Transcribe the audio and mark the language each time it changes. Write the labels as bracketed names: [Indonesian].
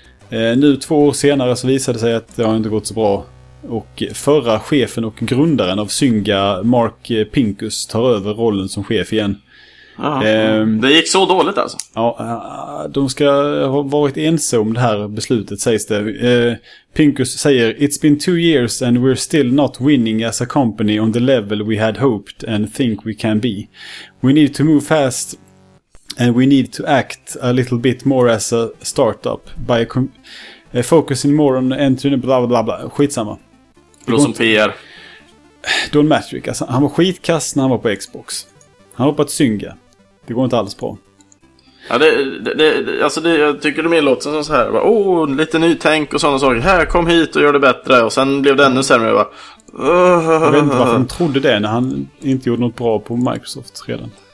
[Swedish] Nu 2 år senare så visade det sig att det har inte gått så bra. Och förra chefen och grundaren av Synga, Mark Pincus, tar över rollen som chef igen. Det gick så dåligt alltså. Ja, de ska ha varit ense om det här beslutet, sägs det. [English] Pincus säger: "It's been 2 years and we're still not winning as a company on the level we had hoped and think we can be. We need to move fast. And we need to act a little bit more as a startup by focusing more on entering blah blah blah." [Swedish] Skitsamma. Blå som PR. Don Matrick, alltså, han var skitkast när han var på Xbox. Han hoppade Synga. Det går inte alls bra. Ja, det, jag tycker det mer låter som så här. Bara, oh, lite nytänk och sådana saker. Här, kom hit och gör det bättre. Och sen blev det ännu sämre. Jag vet inte varför han trodde det när han inte gjorde något bra på Microsoft redan.